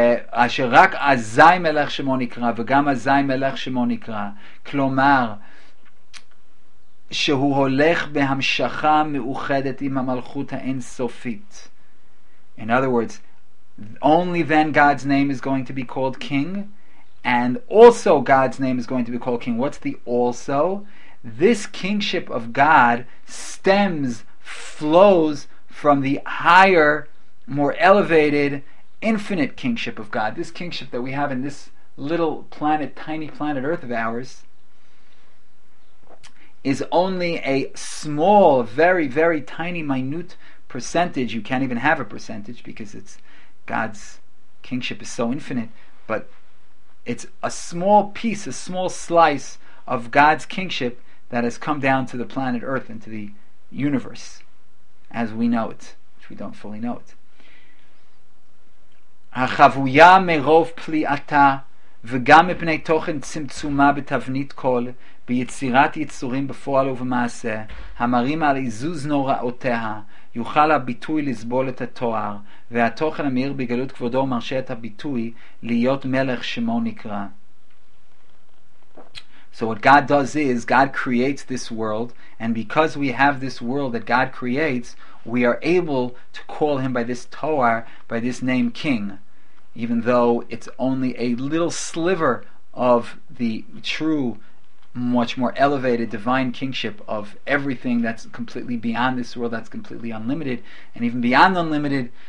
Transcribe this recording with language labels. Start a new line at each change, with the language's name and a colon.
Hebrew: אשר רק עזי מלך שמו נקרא וגם עזי מלך שמו נקרא, כלומר שהוא הולך בהמשכה מאוחדת עם המלכות האינסופית.
English: In other words, only then God's name is going to be called King, and also God's name is going to be called King. What's the also? This kingship of God stems, flows from the higher, more elevated, infinite kingship of God. This kingship that we have in this little planet, tiny planet Earth of ours, is only a small, very, very tiny, minute percentage. You can't even have a percentage because it's God's kingship is so infinite, but it's a small piece, a small slice of God's kingship that has come down to the planet Earth and to the universe as we know it, which we don't fully know it.
Hebrew: החבויה מרוב פליאתה וגם מפני תוכן צמצומה בתבנית קול ביצירת יצורים בפועל ובמעשה המרים על איזוז נוראותיה יוכל הביטוי לסבול את התואר והתוכן המהיר בגלות כבודו מרשה את הביטוי להיות מלך שמו נקרא.
English: So what God does is God creates this world, and because we have this world that God creates, we are able to call him by this toar, by this name King, even though it's only a little sliver of the true, much more elevated divine kingship of everything that's completely beyond this world, that's completely unlimited, and even beyond unlimited.